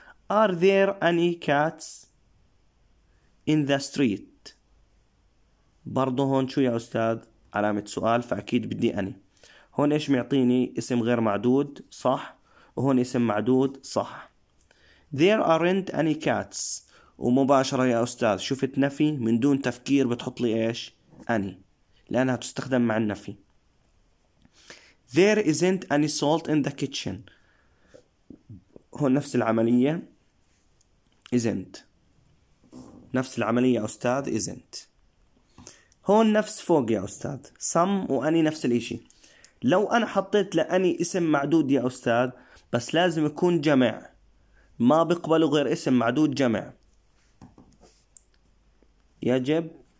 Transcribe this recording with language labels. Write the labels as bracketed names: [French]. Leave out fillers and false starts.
[English] Are there any cats in the street؟ [Arabic] برضو هون شو يا أستاذ؟ علامة سؤال، فأكيد بدي أني. هون إيش معطيني؟ اسم غير معدود صح، وهون اسم معدود صح. [English] There aren't any cats، [Arabic] ومباشرة يا أستاذ شفت نفي من دون تفكير بتحط لي إيش؟ أني، لأنها تستخدم مع النفي. [English] There isn't any salt in the kitchen، [Arabic] هون نفس العملية، [English] isn't [Arabic] نفس العملية أستاذ، [English] isn't. [Arabic] هون نفس فوق يا أستاذ، some وأني نفس الإشي. لو أنا حطيت لأني اسم معدود يا أستاذ، بس لازم يكون جمع، ما بقبله غير اسم معدود جمع، يجب